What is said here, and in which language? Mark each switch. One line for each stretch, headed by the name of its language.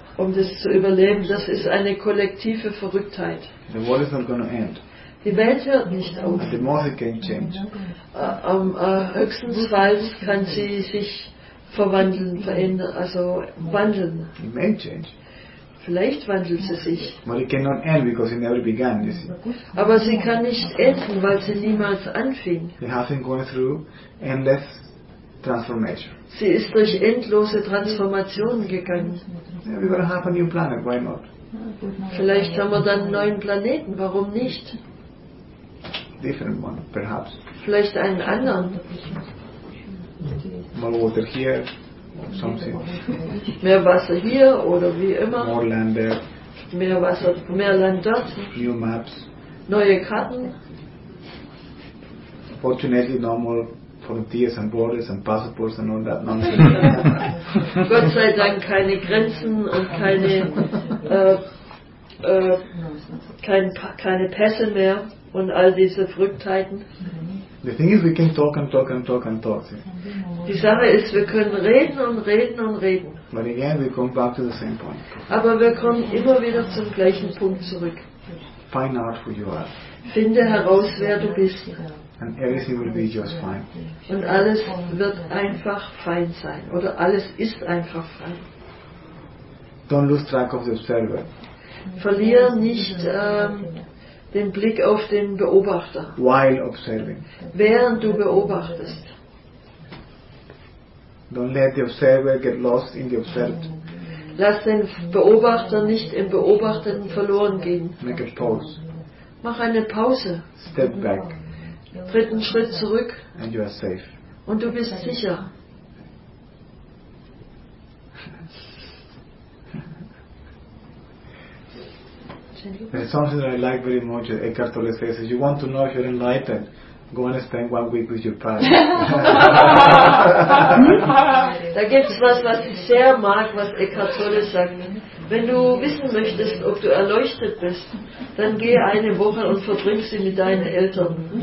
German: Um das zu überleben, das ist eine kollektive Verrücktheit.
English: The world is not gonna end.
German: Die Welt hört nicht auf.
English: The more it can change.
German: Höchstensfalls kann sie sich verwandeln, verändern, also wandeln.
English: It may change.
German: Vielleicht wandelt sie sich.
English: But it cannot end because it never began, you see.
German: Aber sie kann nicht enden, weil sie niemals anfing.
English: It has been going through endless transformation.
German: Sie ist durch endlose Transformationen gegangen.
English: Yeah, we're gonna have a new planet. Why not?
German: Vielleicht haben wir dann einen neuen Planeten. Warum nicht?
English: Different one, perhaps.
German: Vielleicht einen anderen.
English: More water here, or something.
German: Mehr Wasser hier oder wie immer.
English: More land there.
German: Mehr Wasser, mehr Land dort.
English: New maps.
German: Neue Karten.
English: Fortunately, normal. Frontiers and borders and passports and all that nonsense.
German: Gott sei Dank keine Grenzen und keine keine Pässe mehr und all diese Verrücktheiten.
English: The thing is, we can talk and talk and talk and talk. See?
German: Die Sache ist, wir können reden und reden und reden.
English: But again, we come back to the same point.
German: Aber wir kommen immer wieder zum gleichen Punkt zurück.
English: Find out who you are.
German: Finde heraus, wer du bist.
English: And everything will be just fine.
German: Und alles wird einfach fein sein. Oder alles ist einfach fein.
English: Don't lose track of the observer.
German: Verlier nicht den Blick auf den Beobachter.
English: While observing.
German: Während du beobachtest.
English: Don't let the observer get lost in the observed.
German: Lass den Beobachter nicht im Beobachteten verloren gehen.
English: Make a pause.
German: Mach eine Pause.
English: Step back.
German: Dritten Schritt zurück.
English: And you are safe.
German: Und du bist sicher.
English: There's something that I like very much. Eckhart Tolle says, if you want to know if you're enlightened, go and spend 1 week with your parents.
German: Da gibt es was, was ich sehr mag, was Eckhart Tolle sagt. Wenn du wissen möchtest, ob du erleuchtet bist, dann geh eine Woche und verbring sie mit deinen Eltern.